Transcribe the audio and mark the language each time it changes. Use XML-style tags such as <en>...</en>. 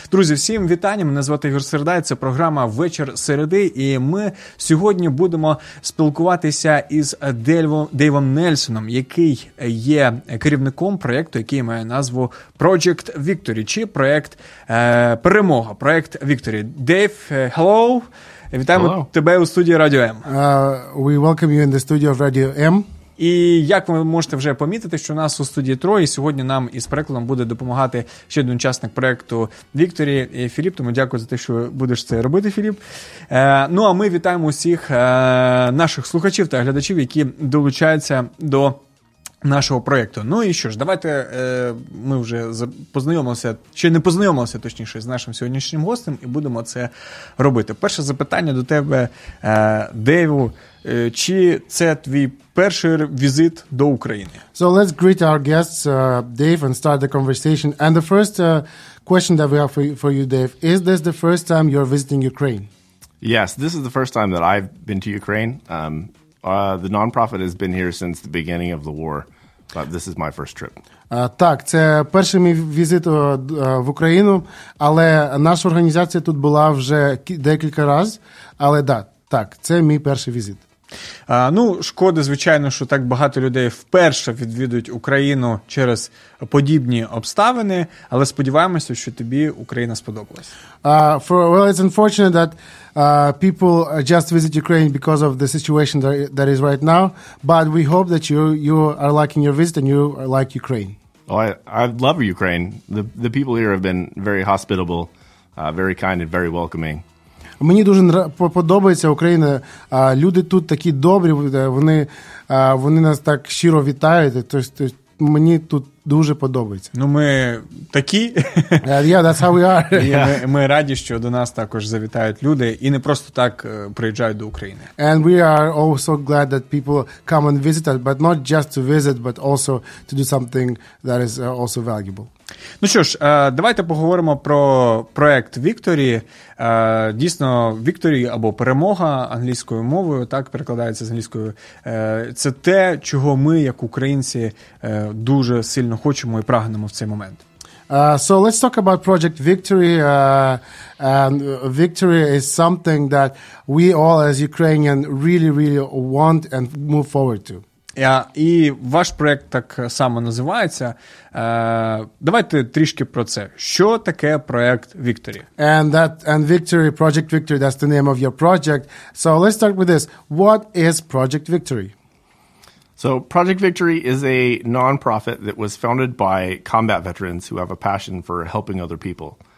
<uk>Друзі, всім вітання, мене звати Ігор Середа, це програма «Вечір середи», і ми сьогодні будемо спілкуватися із Дейвом Нельсоном, який є керівником проєкту, який має назву Project Victory, чи проєкт «Перемога», проєкт Victory. Дейв, hello! Вітаємо hello. Тебе у студії Радіо М.</uk> <en>We welcome you in the studio of Radio M.</en> <uk>І як ви можете вже помітити, що у нас у студії троє, сьогодні нам із перекладом буде допомагати ще один учасник проєкту Victory, Філіп, тому дякую за те, що будеш це робити, Філіп. Ну, а ми вітаємо усіх наших слухачів та глядачів, які долучаються до нашого проєкту. Ну і що ж, давайте ми вже познайомимося з нашим сьогоднішнім гостем і будемо це робити. Перше запитання до тебе, Дейву. Чи це твій перший візит до України?</uk> <en>So let's greet our guests, Dave, and start the conversation. And the first question that we have for you, Dave, is this the first time you're visiting Ukraine? Yes, this is the first time that I've been to Ukraine. The non-profit has been here since the beginning of the war, but this is my first trip.</en> <uk>Так, це перший мій візит в Україну, але наша організація тут була вже декілька разів, але так. Так, це мій перший візит. Ну, шкода, звичайно, що так багато людей вперше відвідують Україну через подібні обставини, але сподіваємося, що тобі Україна сподобалась.</uk> <en>It's unfortunate that people just visit Ukraine because of the situation that is right now, but we hope that you are liking your visit and you are like Ukraine. Oh, I love Ukraine. The people here have been very hospitable, very kind and very welcoming.</en> <uk>Мені дуже подобається Україна. Люди тут такі добрі, вони нас так щиро вітають. Тобто мені тут дуже подобається. Ну, ми такі.</uk> <en>Yeah, that's how we are. Yeah.</en> <uk>Ми раді, що до нас також завітають люди і не просто так приїжджають до України.</uk> <en>And we are also glad that people come and visit us, but not just to visit, but also to do something that is also valuable.</en> <uk>Ну що ж, давайте поговоримо про проєкт Victory. Дійсно, Victory або перемога англійською мовою, так перекладається з англійською, це те, чого ми, як українці, дуже сильно хочемо і прагнемо в цей момент.</uk> <en>So let's talk about Project Victory. And Victory is something that we all as Ukrainian really, really want and move forward to.</en> <uk>І ваш проєкт так само називається. Давайте трішки про це. Що таке проєкт Victory?</uk> <en>And Victory, Project Victory, that's the name of your project. So let's start with this. What is Project Victory? So Project Victory is a non-profit that was founded by combat veterans who have a passion for helping other people.</en>